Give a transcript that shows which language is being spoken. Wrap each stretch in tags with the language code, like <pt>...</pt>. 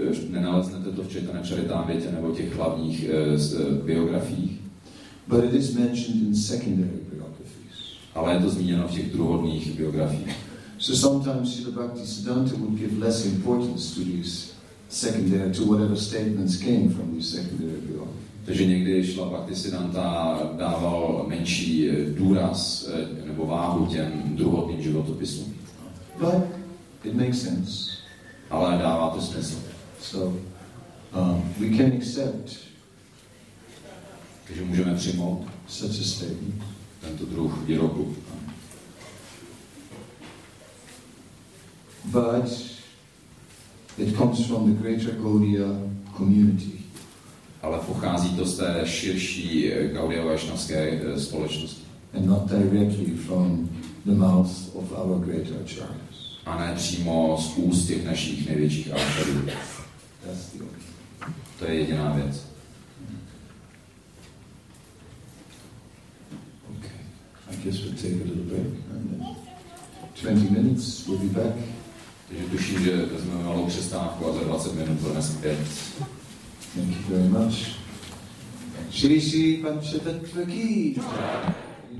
<cs>Nenaleznete to v Chaitanya Charitamritě nebo těch hlavních biografiích.</cs> <en>But it is mentioned in secondary biographies.</en> <cs>Ale je to zmíněno v těch druhotných biografiích.</cs> <en>So sometimes Srila Bhaktisiddhanta would give less importance to these secondary, to whatever statements came from these secondary biographies.</en> <cs>Takže někdy Srila Bhaktisiddhanta dával menší důraz nebo váhu těm druhotným životopisům.</cs> <en>But it makes sense.</en> <cs>Ale dává to smysl.</cs> <en>So, we can accept.</en> <cs>Takže můžeme přijmout</cs> <en>such a statement.</en> <cs>Tento druh výroku.</cs> <en>But it comes from the greater Gaudiya community.</en> <cs>Ale pochází to z té širší Gaudiya Vaishnavské společnosti.</cs> <en>And not directly from the mouth of our great acharyas.</en> <cs>A ne přímo z úst těch našich největších acharyů. To je jediná věc.</cs> <en>Okay. I guess we'll take a little break. 20 minutes, we'll be back.</en> <cs>Takže tuším, že vezmeme malou přestávku a za 20 minut budeme zpět.</cs> <en>Thank you very much. Shri Shri Panchatattva Ki.</en>